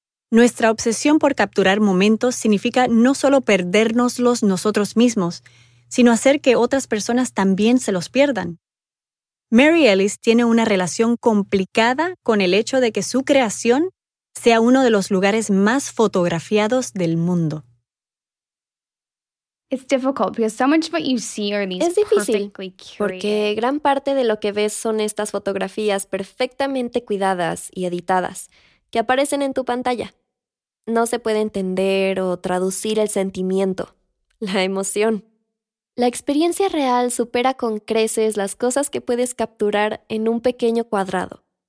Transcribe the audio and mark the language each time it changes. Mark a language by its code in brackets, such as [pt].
[es] Nuestra obsesión por capturar momentos significa no solo perdérnoslos nosotros mismos, sino hacer que otras personas también se los pierdan. Mary Ellis tiene una relación complicada con el hecho de que su creación sea uno de los lugares más fotografiados del mundo. [en] It's difficult because so much of what you see are these. [es] Es difícil porque gran parte de lo que ves son estas fotografías perfectamente cuidadas y editadas que aparecen en tu pantalla. No se puede entender o traducir el sentimiento, la emoción. La experiencia real supera con creces las cosas que puedes capturar en un pequeño cuadrado.